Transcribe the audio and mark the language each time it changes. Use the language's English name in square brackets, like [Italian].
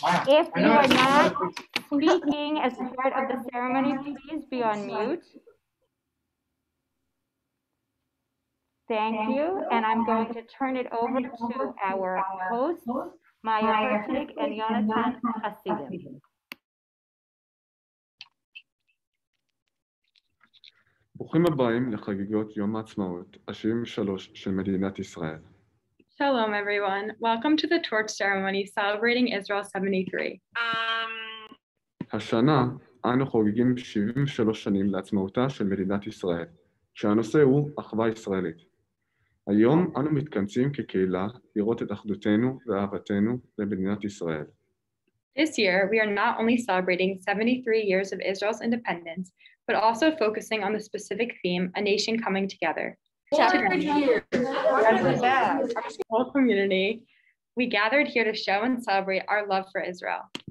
[English] If you are not speaking as part of the ceremony, please be on mute. Thank you, and I'm going to turn it over to our hosts, Maya Hertig and Yonatan Hasidim. [Hebrew] ברוכים הבאים לחגיגות יום העצמאות, ה-73 של מדינת ישראל. [English] Shalom, everyone. Welcome to the torch ceremony celebrating Israel 73. [Hebrew] השנה אנו חוגגים 73 שנים לעצמאותה של מדינת ישראל, שהנושא הוא אחווה ישראלית. היום אנו מתכנסים כקהילה לראות את אחדותנו ואהבתנו למדינת ישראל. [English] This year we are not only celebrating 73 years of Israel's independence, but also focusing on the specific theme, a nation coming together. Our community, we gathered here to show and celebrate our love for Israel.